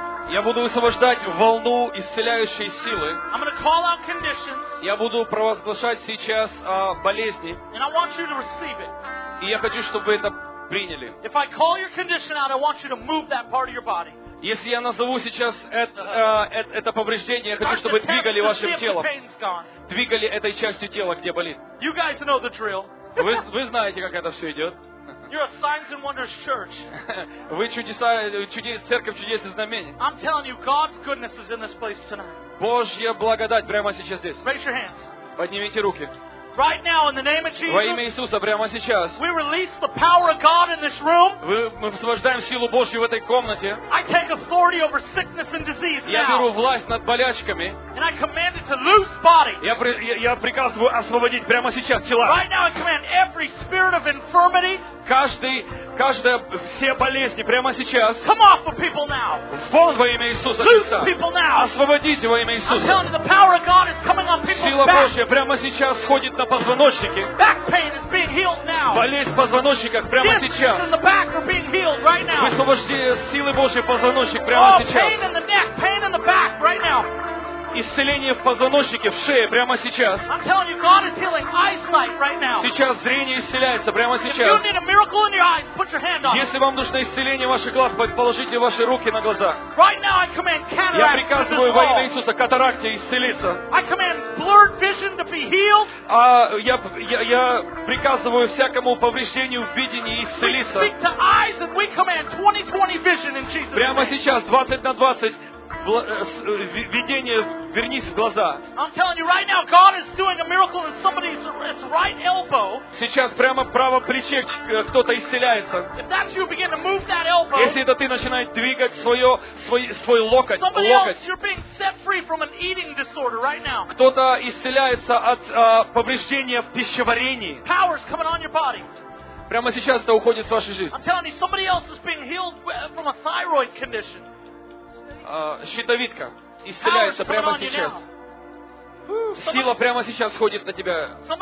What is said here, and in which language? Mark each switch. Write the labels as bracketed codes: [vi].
[ru] Я буду высвобождать волну исцеляющей силы. [en] I'm going to call out conditions. [ru] Я буду провозглашать сейчас болезни. [en] And I want you to receive it. [ru] И я хочу, чтобы это приняли. [en] If I call your condition out, I want you to move that part of your body. [ru] Если я назову сейчас это повреждение, я хочу, чтобы двигали вашим телом. Двигали этой частью тела, где болит. [en] You guys know the drill. [ru] Вы знаете, как это все идет. [en] You're a signs and wonders church. [ru] Вы чудеса, церковь чудес и знамений. [en] I'm telling you, God's goodness is in this place tonight. [ru] Божья благодать прямо сейчас здесь. [en] Raise your hands. [ru] Поднимите руки. [en] Right now, in the name of Jesus. [ru] Во имя Иисуса, прямо сейчас. [en] We release the power of God in this room. [ru] Мы высвобождаем силу Божью в этой комнате. [en] I take authority over sickness and disease now. [ru] Я беру власть над болячками. [en] And I command it to loose bodies. [ru] Я приказываю освободить прямо сейчас тела. [en] Right now, I command every spirit of infirmity. [ru] Каждая, все болезни прямо сейчас. [en] Come off of people now. [ru] Вон во имя Иисуса Христа. [en] Loose people now. [ru] Освободите во имя Иисуса. [en] I'm telling you, the power of God is coming on people's back. [ru] Сила Божья прямо сейчас сходит на позвоночники. [en] Back pain is being healed now. [ru] Болезнь в позвоночниках прямо [en] Discs [ru] сейчас. [en] In the back are being healed right now. [ru] Высвобождение силы Божьей в позвоночник прямо сейчас. [en] Pain in the neck, pain in the back right now. [ru] Исцеление в позвоночнике, в шее, прямо сейчас. [en] I'm telling you, God is healing eyesight right now. [ru] Сейчас зрение исцеляется, прямо сейчас. [en] If you need a miracle in your eyes, put your hand on. [ru] Если вам нужно исцеление ваших глаз, положите ваши руки на глаза. [en] Right now I command cataracts. [ru] Я приказываю во имя Иисуса катаракте исцелиться. [en] I command blurred vision to be healed. [ru] Я приказываю всякому повреждению в видении исцелиться. [en] We speak to eyes and we command 20/20 vision in Jesus' name. [ru] Прямо сейчас, 20/20. Видение, вернись в глаза. [en] I'm telling you right now, God is doing a miracle in somebody's right elbow. [ru] Сейчас прямо право плече кто-то исцеляется. [en] If that's you, begin to move that elbow. [ru] Если это ты начинает двигать свой локоть. [en] Somebody [ru] локоть. [en] Else, you're being set free from an eating disorder right now. [ru] Кто-то исцеляется от повреждения в пищеварении. [en] Power's coming on your body. [ru] Прямо сейчас это уходит с вашей жизни. [en] I'm telling you, somebody else is being healed from a thyroid condition. [ru] Щитовидка исцеляется прямо сейчас. Сила прямо сейчас сходит на тебя.